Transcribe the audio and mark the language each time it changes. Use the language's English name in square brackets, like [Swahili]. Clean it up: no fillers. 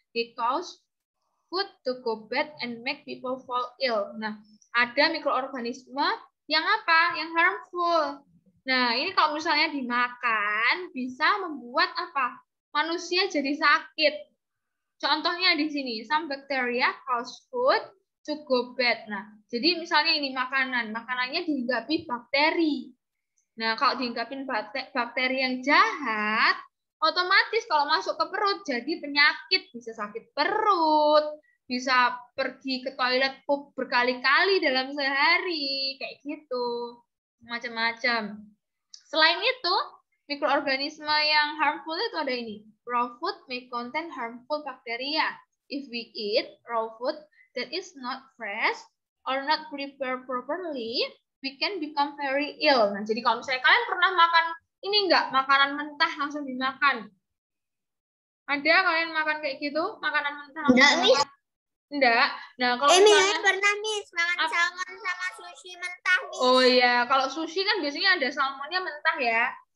[English] They cause food to go bad and make people fall ill. [Indonesian] Nah, ada mikroorganisme yang apa? Yang harmful. Nah, ini kalau misalnya dimakan bisa membuat apa? Manusia jadi sakit. Contohnya di sini, [English] some bacteria cause food to go bad. [Indonesian] Nah, jadi misalnya ini makanan, makanannya dihinggapi bakteri. Nah, kalau dihinggapi bakteri yang jahat, otomatis kalau masuk ke perut jadi penyakit, bisa sakit perut, bisa pergi ke toilet pup berkali-kali dalam sehari, kayak gitu, macam-macam. Selain itu, mikroorganisme yang harmful itu ada ini. [English] Raw food may contain harmful bacteria. If we eat raw food that is not fresh or not prepared properly, we can become very ill. [Indonesian] Nah, jadi kalau misalnya kalian pernah makan ini enggak, makanan mentah langsung dimakan. Ada kalian makan kayak gitu, makanan mentah? Enggak, Miss. Enggak. Nah, kalau misalnya pernah, Miss, makan salmon sama sushi mentah, Miss. Oh iya, kalau sushi kan biasanya ada salmonnya mentah ya.